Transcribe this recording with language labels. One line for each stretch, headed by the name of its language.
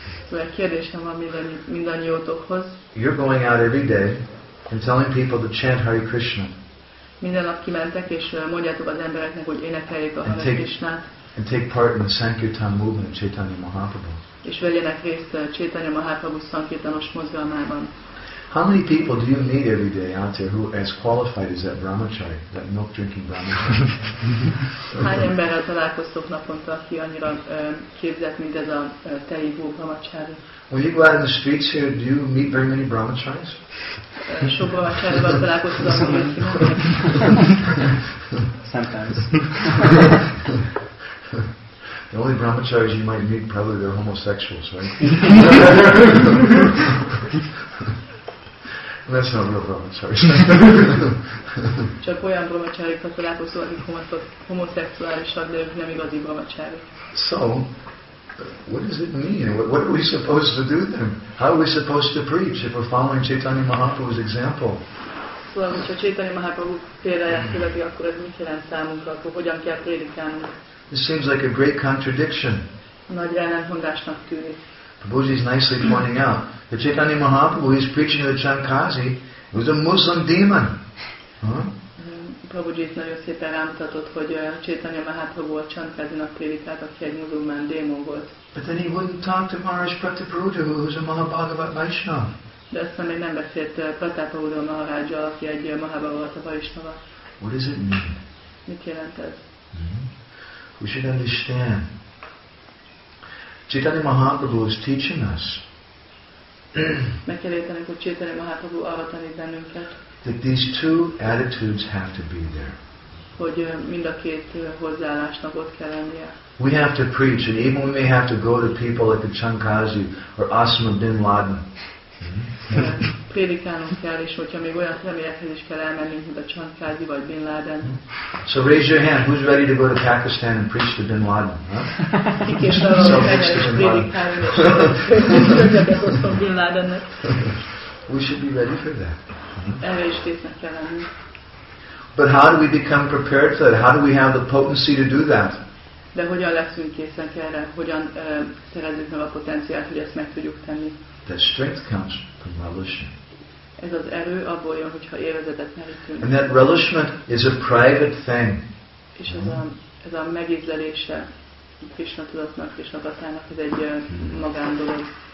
Hungarian: So egy kérdésem van mindannyiótokhoz.
English: You're going out every day and telling people to chant Hare Krishna.
Hungarian: Minden nap kimentek és mondjátok az embereknek, hogy énekeljék a Hare Krishnát.
English: And take part in the Sankirtan movement of Chaitanya Mahaprabhu.
Hungarian: És vegyenek részt Chaitanya Mahaprabhu szankirtanos mozgalmában.
English: How many people do you meet every day out there who are as qualified as that brahmachari, that milk drinking brahmachari?
Hungarian: Hány emberrel találkoztok naponta, aki annyira képzett, mint ez a teivó brahmachari?
English: When you go out in the streets here, do you meet very many brahmacharis?
Hungarian: Sok brahmacharival találkoztok a brahmacharis.
English: Sometimes. The only brahmacharis you might meet probably are homosexuals, right? That's not real brahmachari.
Hungarian: Csak olyan brahmacharikat találkozol, akik homoszexuálisak, de ők nem igazi brahmacharik.
English: So, what does it mean? What are we supposed to do then? How are we supposed to preach if we're following Chaitanya Mahaprabhu's example?
Hungarian: Szóval, hogyha Chaitanya Mahaprabhu példáját követi, akkor ez mit jelent számunkra? Akkor hogyan kell prédikálnunk?
English: This seems like a great contradiction.
Hungarian: Nagy ellentmondásnak tűnik.
English: Prabhuji is nicely pointing out that Chaitanya Mahaprabhu, he's preaching to the Chankazi, was a Muslim demon.
Hungarian: Prabhuji is nagyon szépen rámutatott, hogy Chaitanya Mahaprabhu a Chankazinak prédikált, aki egy muzulmán démon volt.
English: But then he wouldn't talk to Maharaj Pratapuruja, who was a Mahabhagavata Vaishnava.
Hungarian: De aztán még nem beszélt Pratapuruja Maharaja, aki egy Mahabhagavata Vaishnava.
English: What does it mean?
Hungarian: Mit jelent ez?
English: We should understand. Chaitanya Mahaprabhu is teaching us that these two attitudes have to be there. We have to preach, and even we may have to go to people like the Chankazi or Osama bin Laden. So raise your hand, who's ready to go to Pakistan and preach to bin Laden? We should be ready for that. But how do we become prepared for that? How do we have the potency to do that?
Hungarian: De hogyan leszünk készen erre? Hogyan szerezzük meg a potenciát, hogy ezt meg tudjuk tenni?
English: That strength comes from relishing.
Hungarian: Ez az erő abból jön, hogyha élvezetet merítünk.
English: And that relishment is a private thing.
Hungarian: És ez a megízlelése Krishna tudatnak, Krishna tatának, ez egy magándolog.